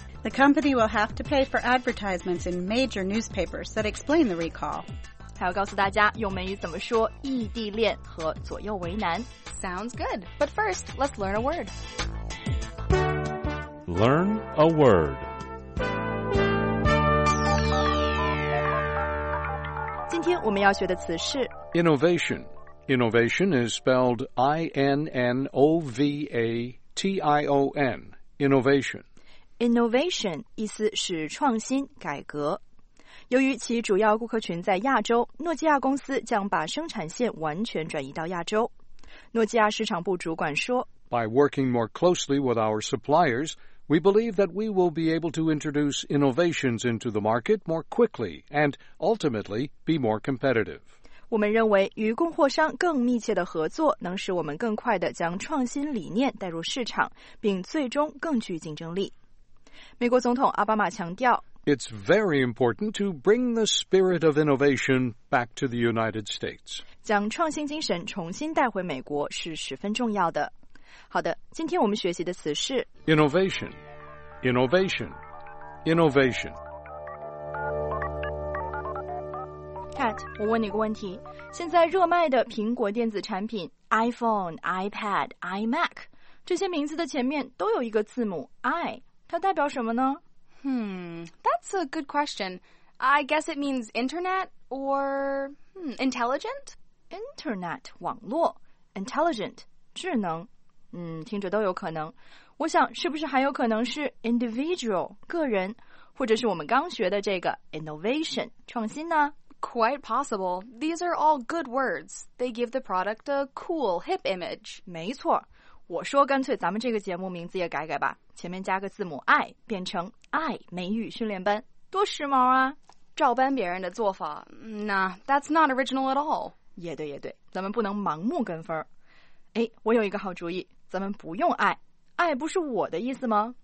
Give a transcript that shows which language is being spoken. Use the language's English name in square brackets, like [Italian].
[English] The company will have to pay for advertisements in major newspapers that explain the recall. [Chinese] 还要告诉大家用美语怎么说异地恋和左右为难。 [English] Sounds good, but first, let's learn a word. Learn a word. [Chinese] 今天我们要学的词是 [English] Innovation. Innovation is spelled I-N-N-O-V-A-T-I-O-N. Innovation. [Chinese] Innovation 意思是创新、改革。由于其主要顾客群在亚洲，诺基亚公司将把生产线完全转移到亚洲。诺基亚市场部主管说 [English] By working more closely with our suppliers, we believe that we will be able to introduce innovations into the market more quickly and ultimately be more competitive. [Chinese] 我们认为与供货商更密切的合作能使我们更快地将创新理念带入市场，并最终更具竞争力。美国总统奥巴马强调 [English] It's very important to bring the spirit of innovation back to the United States. [Chinese] 将创新精神重新带回美国是十分重要的。好的，今天我们学习的词是 [English] Innovation, innovation, innovation. [Chinese] Kat, 我问你个问题。现在热卖的苹果电子产品 iPhone, iPad, iMac, 这些名字的前面都有一个字母 I. 它代表什么呢? [English] That's a good question. I guess it means internet or intelligent? [Chinese] Internet, 网络, intelligent, 智能。听着都有可能。我想是不是还有可能是 individual, 个人,或者是我们刚学的这个 innovation, 创新呢? [English] Quite possible. These are all good words. They give the product a cool, hip image. [Chinese] 没错。我说干脆咱们这个节目名字也改改吧，前面加个字母 I 变成 I 美语训练班，多时髦啊，照搬别人的做法。 [English] Nah, that's not original at all. [Chinese] 也对也对，咱们不能盲目跟风。哎，我有一个好主意，咱们不用 I， I 不是我的意思吗？